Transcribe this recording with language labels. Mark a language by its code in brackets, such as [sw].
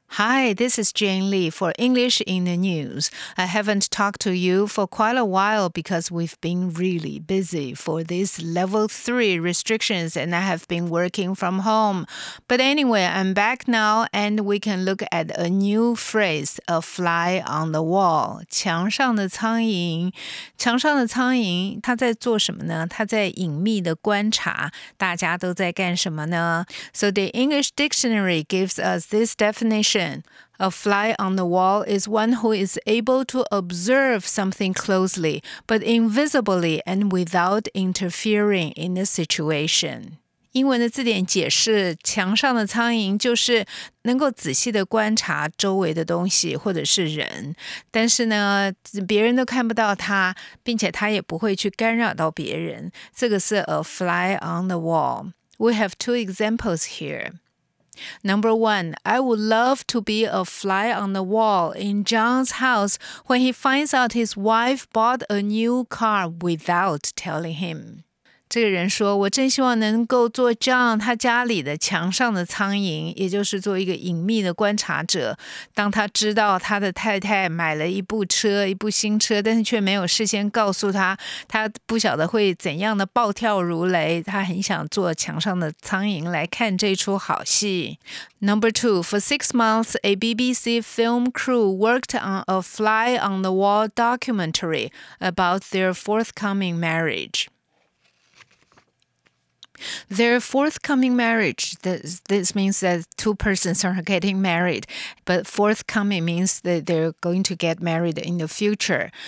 [en] Hi, this is Jane Lee for English in the News. I haven't talked to you for quite a while because we've been really busy for these level 3 restrictions and I have been working from home. But anyway, I'm back now and we can look at a new phrase, a fly on the wall. [zh] 墙上的苍蝇。墙上的苍蝇它在做什么呢？它在隐秘的观察大家都在干什么呢？ [en] So the English Dictionary gives us this definition. A fly on the wall is one who is able to observe something closely, but invisibly and without interfering in the situation. [zh] 英文的字典解释，墙上的苍蝇就是能够仔细的观察周围的东西或者是人，但是呢，别人都看不到它，并且它也不会去干扰到别人。这个是 [en] a fly on the wall. We have two examples here. Number one, I would love to be a fly on the wall in John's house when he finds out his wife bought a new car without telling him. [zh] 这个人说，我真希望能够做 John 他家里的墙上的苍蝇，也就是做一个隐秘的观察者。当他知道他的太太买了一部车，一部新车，但是却没有事先告诉他，他不晓得会怎样的暴跳如雷。他很想做墙上的苍蝇来看这出好戏。 [en] Number two, for 6 months, a BBC film crew worked on a fly on the wall documentary about their forthcoming marriage. Their forthcoming marriage, this means that two persons are getting married, but forthcoming means that they're going to get married in the future.